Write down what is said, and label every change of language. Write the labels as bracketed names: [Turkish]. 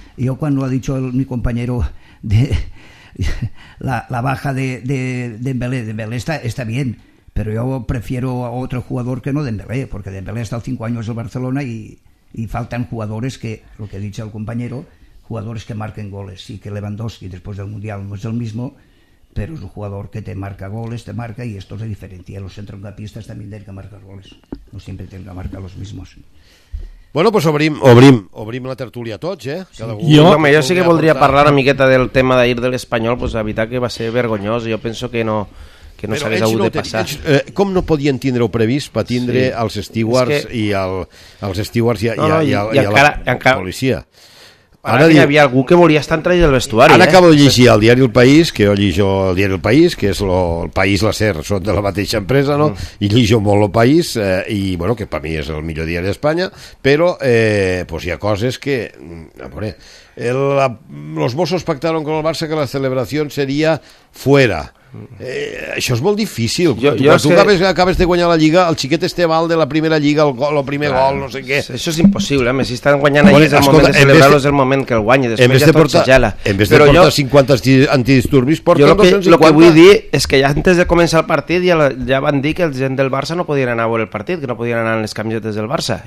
[Spanish] Yo, cuando ha dicho mi compañero de la baja de Dembélé está bien, pero yo prefiero a otro jugador que no Dembélé, porque Dembélé ha estado 5 años en Barcelona y faltan jugadores que, lo que ha dicho el compañero, jugadores que marquen goles, y que Lewandowski después del Mundial no es el mismo, pero es un jugador que te marca goles, te marca, y esto es la diferencia. Los centrocampistas también tienen que marcar goles, no siempre tienen que marcar los mismos. [Catalan] Bueno, pues obrim la tertúlia a tots, Sí. Jo sí que voldria parlar una miqueta del tema d'ahir de l'Espanyol, pues la veritat que va ser vergonyós. Jo penso que no, que no s'hagués hagut de passar. Com no podien tindre-ho previst per tindre els stewards i els stewards i la policia? Ara hi havia algú que volia estar entre ells al vestuari. Ara acabo de llegir el diari El País, que jo llegeixo el diari El País, que és el País, la SER, són de la mateixa empresa, no? I llegeixo molt El País, i bueno, que per mi és el millor diari d'Espanya, però pues hi ha coses que... A veure, [Spanish] los Mossos pactaron con el Barça que la celebración sería fuera. [Catalan] Això és molt difícil. Acabes de guanyar la Lliga, el xiquet este mal de la primera Lliga, el primer gol, no sé què. Això és impossible, si estan guanyant allà és el moment de celebrar-lo, és el moment que el guanyi. Després ja tot s'agela. [Spanish] En vez de [Catalan] portar 50 antidisturbis, porta 250. Jo el que vull dir és que ja antes de començar el partit ja van dir que la gent del Barça no podien anar a veure el partit, que no podien anar en les camisetes del Barça.